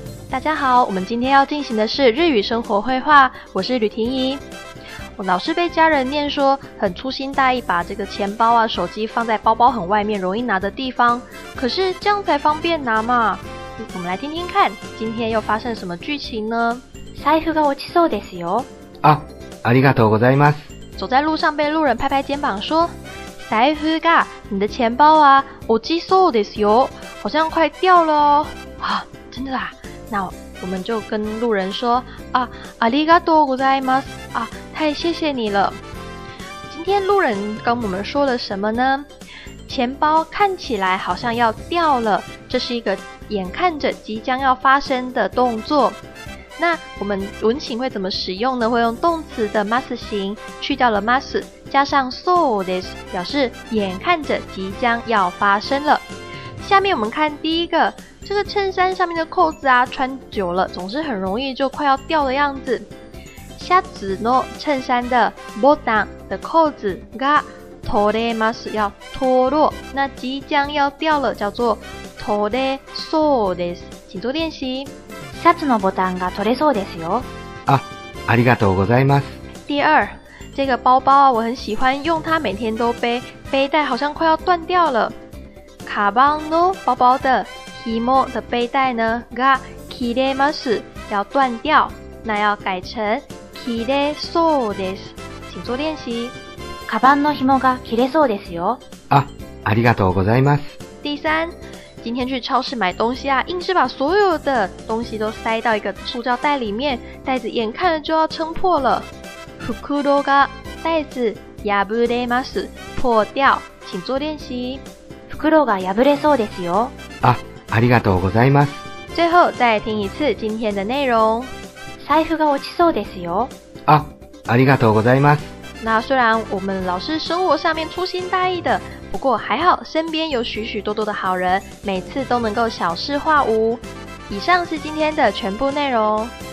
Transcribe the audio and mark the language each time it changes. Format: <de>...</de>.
<zh>大家好，我们今天要进行的是日语生活绘画，我是吕婷宜。我老是被家人念说很粗心大意，把这个钱包啊、手机放在包包很外面容易拿的地方，可是这样才方便拿嘛。我们来听听看，今天又发生什么剧情呢？</zh> <ja>財布が落ちそうですよ。あ、ありがとうございます。</ja> <zh>走在路上被路人拍拍肩膀说，</zh> <ja>財布が，</ja> <zh>你的钱包啊，</zh> <ja>落ちそうですよ，</ja> <zh>好像快掉了哦。啊，真的啊？那我们就跟路人说，啊，</zh> <ja>ありがとうございます。</ja> <zh>啊，太谢谢你了。今天路人跟我们说了什么呢？钱包看起来好像要掉了，这是一个眼看着即将要发生的动作。那我们文情会怎么使用呢？会用动词的 must 形，去掉了 must， 加上 so this， 表示眼看着即将要发生了。下面我们看第一个，这个衬衫上面的扣子啊，穿久了总是很容易就快要掉的样子。</zh> <ja>シャツの</ja> <zh>衬衫的</zh> <ja>ボタン的</ja> <zh>扣子</zh> <ja>が取れます，</ja> <zh>要脱落。那即将要掉了，叫做</zh> <ja>取れそうです。</ja> <zh>请做练习。</zh> <ja>シャツのボタンが取れそうですよ。あ、ありがとうございます。</ja> <zh>第二，这个包包啊，我很喜欢用它，每天都背，背带好像快要断掉了。</zh> <ja>カバンの</ja> <zh>包包的紐的背带呢</zh> <ja>が切れます，</ja> <zh>要断掉，那要改成</zh> <ja>切れそうです。</ja> <zh>请做练习。</zh> <ja>カバンの紐が切れそうですよ。あ、ありがとうございます。</ja> <zh>第三，今天去超市买东西啊，硬是把所有的东西都塞到一个塑胶袋里面，袋子眼看着就要撑破了。</zh> <ja>袋が</ja> <zh>袋子</zh> <ja>破れます，</ja> <zh>破掉，请做练习。</zh> <ja>袋が破れそうですよ。あ、ありがとうございます。</ja> <zh>最后再听一次今天的内容。</zh> <ja>財布が落ちそうですよ。あ、ありがとうございます。</ja> <zh>那虽然我们老是生活上面粗心大意的，不过还好身边有许许多多的好人，每次都能够小事化无。以上是今天的全部内容。</zh>